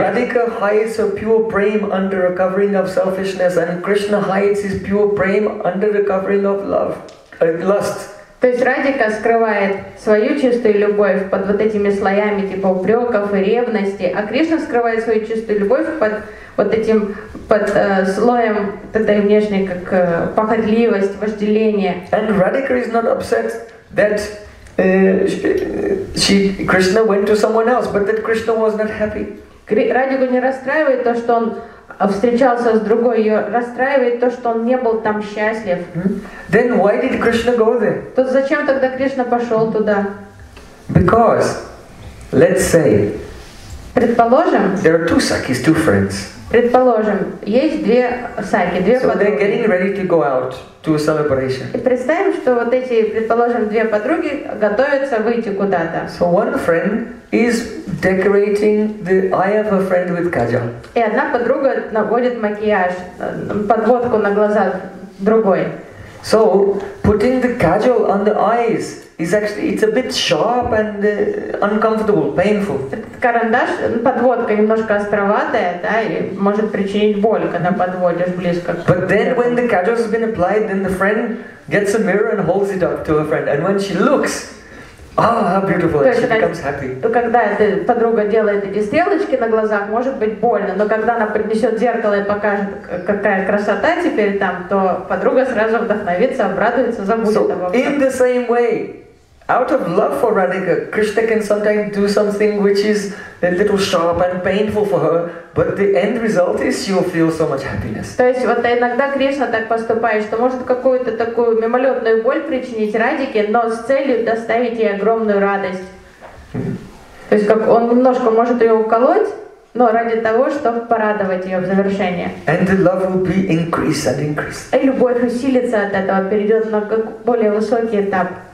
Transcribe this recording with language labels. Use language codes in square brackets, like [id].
[en] Radhika hides her pure prem under a covering of selfishness, and Krishna hides his pure prem under the covering of love, lust. [ru] То есть Радика скрывает свою чистую любовь под вот этими слоями типа упреков и ревности, а Кришна скрывает свою чистую любовь под вот этим под слоем этой внешней как похотливость, вожделение. [en] And Radhika is not upset that Krishna went to someone else, but that Krishna was not happy. [ru] Радику не расстраивает то, что он встречался с другой, ее расстраивает то, что он не был там счастлив. [en] Then why did Krishna go there? [ru] То зачем тогда Кришна пошел туда? [en] Because, let's say, [ru] Предположим, [en] there are two sakis, two friends. [ru] Предположим, есть две саки, две подруги. [en] So they're getting ready to go out to a celebration. [ru] И представим, что вот эти, предположим, две подруги готовятся выйти куда-то. [en] So one friend is decorating the eye of a friend with kajal. [ru] И одна подруга наводит макияж, подводку на глаза другой. [en] So putting the kajal on the eyes is actually it's a bit sharp and uncomfortable, painful. [ru] Карандаш, подводка немножко островатая, да, и может причинить боль, когда подводишь близко. [en] But then when the kajal has been applied, then the friend gets a mirror and holds it up to her friend, and when she looks, oh, how beautiful, and she becomes happy. [ru] То когда эта подруга делает эти стрелочки на глазах, может быть больно, но когда она принесет зеркало и покажет, какая красота теперь там, то подруга сразу вдохновится, обрадуется, забудет so, обо всем. [en] In the same way, out of love for Radhika, Krishna can sometimes do something which is a little sharp and painful for her, but the end result is she will feel so much happiness. [ru] То есть вот иногда Кришна так поступает, что может какую-то такую мимолетную боль причинить Радике, но с целью доставить ей огромную радость. То есть как он немножко может ее уколоть, но ради того, чтобы порадовать ее в завершение. [en] And the love will be increased and increased. [ru] И любовь усилится от этого, перейдет на более высокий этап.